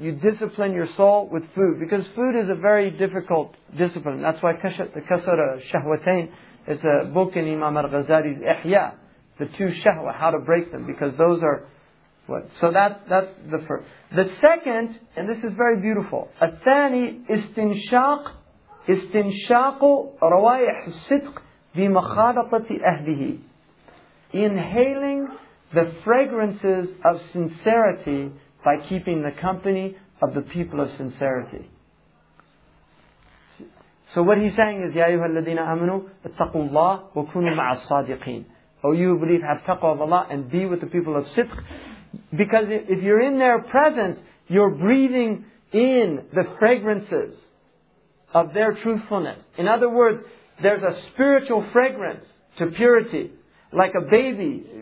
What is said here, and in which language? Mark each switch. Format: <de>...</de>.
<en>You discipline your soul with food. Because food is a very difficult discipline. That's why the Kasra Shahwatain is a book in Imam al-Ghazali's Ihya. The two shahwa, how to break them. Because those are what? So that's the first. The second, and this is very beautiful.</en> <ar>الثاني استنشاق استنشاق روائح الصدق بمخالطة أهله.</ar> <en>Inhaling the fragrances of sincerity by keeping the company of the people of sincerity. So what he's saying is,</en> <ar>يا أيها الذين آمنوا اتقوا الله وكونوا مع الصادقين.</ar> <en>O you who believe, have taqwa of Allah and be with the people of sidq. Because if you're in their presence, you're breathing in the fragrances of their truthfulness. In other words, there's a spiritual fragrance to purity. Like a baby.</en>